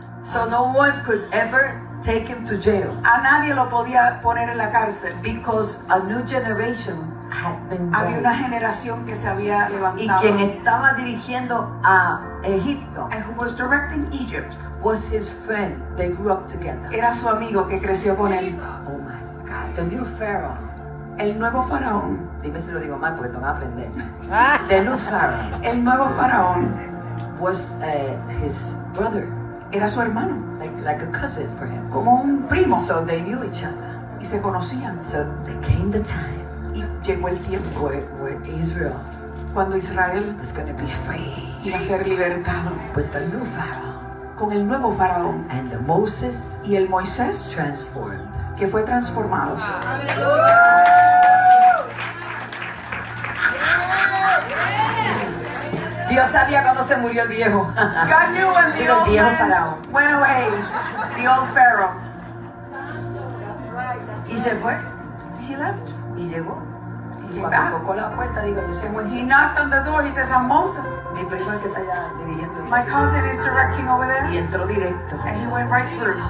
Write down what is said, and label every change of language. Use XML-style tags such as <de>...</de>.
<en>So no one could ever take him to jail.</en> <es>A nadie lo podía poner en la cárcel.</es> <en>Because a new generation had been</en> <es>había una generación que se había levantado y quien estaba dirigiendo a Egipto,</es> <en>and who was directing Egypt, was his friend. They grew up together.</en> <es>Era su amigo que creció con él.</es> <en>Oh my God, the new pharaoh,</en> <es>el nuevo faraón. Dime si lo digo mal porque te voy a aprender.</es> <en>The new pharaoh,</en> <es>el nuevo faraón,</es> <en>was his brother.</en> <es>Era su hermano.</es> <en>Like a cousin for him.</en> <es>Como un primo.</es> <en>So they knew each other.</en> <es>Y se conocían.</es> <en>So they came the time.</en> <es>Llegó el tiempo</es> <en>where Israel,</en> <es>cuando Israel</es> <en>was gonna be free,</en> <es>iba a ser libertado,</es> <en>with the new pharaoh,</en> <es>con el nuevo faraón,</es> <en>and the Moses,</en> <es>y el Moisés</es> <en>transformed,</en> <es>que fue transformado. Dios sabía cuando se murió el viejo.</es> <en>God knew when the old</en> <es>viejo faraón</es> <en>went away, the old pharaoh. That's right.</en> <es>Y se fue.</es> <en>He left.</en> <es>Y llegó. Cuando tocó la puerta, digo, yo soy Moisés.</es> <en>He knocked on the door. He says, I'm Moses.</en> <es>Mi primo que está allá dirigiendo.</es> <en>My cousin is directing over there.</en> <es>Y entró directo.</es> <en>And he went right through.</en>